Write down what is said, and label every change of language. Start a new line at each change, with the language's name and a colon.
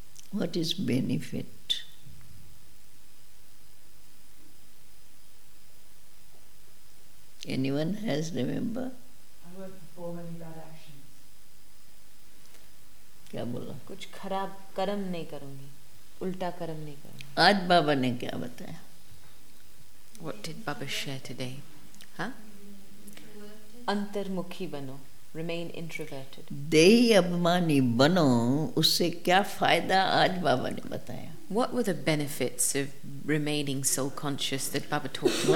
English: What is benefit? Anyone has remember? I won't perform any bad actions.
Hindi: क्या बोला? कुछ खराब कर्म नहीं करूँगी, उल्टा कर्म नहीं करूँगी. आज बाबा ने क्या बताया?
English: What did Baba share today? Huh?
Hindi: Antarmukhi bano,
English: remain introverted.
Hindi: Dehi abhimani bano, usse kya fayda aaj Baba ne bataya.
English: What were the benefits of remaining soul conscious that Baba talked about?